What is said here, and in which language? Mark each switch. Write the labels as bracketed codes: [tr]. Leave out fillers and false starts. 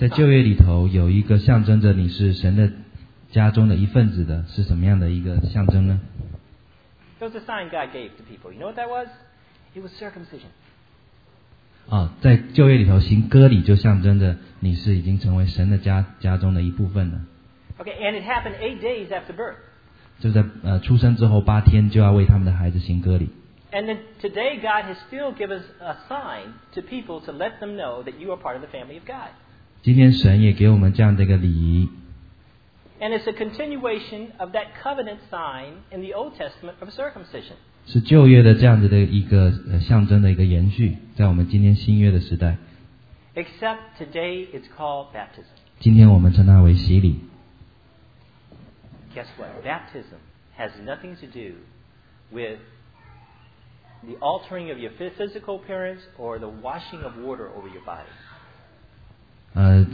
[zh] 在旧约里头有一个象征着你是神的家中的一份子的，是什么样的一个象征呢？ [en] It was a sign God gave to people. You know what that was? It was circumcision. [zh] 在旧约里头行割礼就象征着你是已经成为神的家中的一部分了。 [en] Okay, and it happened 8 days after birth. [zh] 就在出生之后八天就要为他们的孩子行割礼。 [en] And then today God has still given a sign to people to let them know that you are part of the family of God. [zh] 今天神也给我们这样的一个礼仪。 [en] And it's a continuation of that covenant sign in the Old Testament of circumcision. [zh] 是旧约的这样子的一个象征的一个延续，在我们今天新约的时代。 [en] Except today it's called baptism. [zh] 今天我们称它为洗礼。 [en] Guess what? Baptism has nothing to do with the altering of your physical appearance or the washing of water over your body.